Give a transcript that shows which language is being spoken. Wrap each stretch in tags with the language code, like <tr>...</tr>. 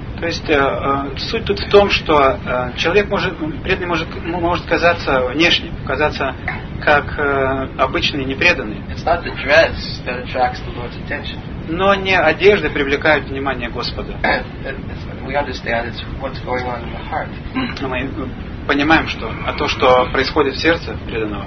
<ru>То есть суть тут в том, что человек может, преданный может казаться внешне, казаться как обычный, непреданный.</ru> <en>It's not the dress that attracts the Lord's attention.</en> <ru>Но не одежды привлекают внимание Господа.</ru> <en>We understand it's what's going on in the heart.</en> <ru>Мы понимаем, что а то, что происходит в сердце преданного.</ru>